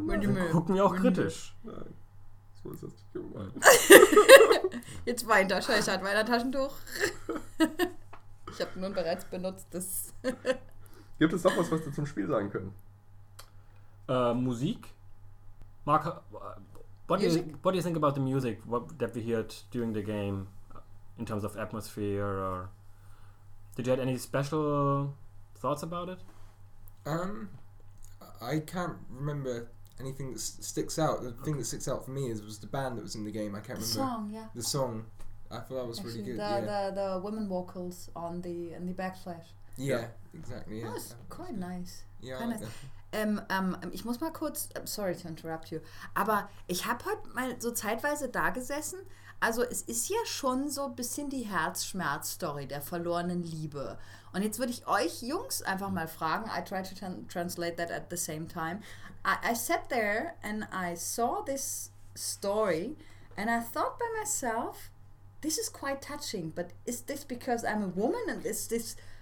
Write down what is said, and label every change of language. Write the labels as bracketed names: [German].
[German] Wir gucken ja auch kritisch. Nein. So ist das nicht gemeint. Jetzt weint er. Scheiße, hat weiter Taschentuch. Ich habe nur ein bereits benutztes. Gibt es noch was du zum Spiel sagen können? Musik? Mark. [English] What do you think about the music that we heard during the game in terms of atmosphere? Or did you have any special thoughts about it? I can't remember anything that sticks out. The thing that sticks out for me was the band that was in the game. I can't the The song, yeah. The song. I thought that was actually really good. The, yeah. the women vocals on the in the backslash. Yeah, yeah, exactly. Yeah. That was quite nice. Yeah, kind of. [German] Ich muss mal kurz, [English] sorry to interrupt you, [German] aber ich habe heute mal so zeitweise da gesessen. Also es ist ja schon so ein bisschen die Herzschmerz-Story der verlorenen Liebe. Und jetzt würde ich euch Jungs einfach mal fragen, [English] I try to translate that at the same time. I sat there and I saw this story and I thought by myself, this is quite touching, but is this because I'm a woman and is this...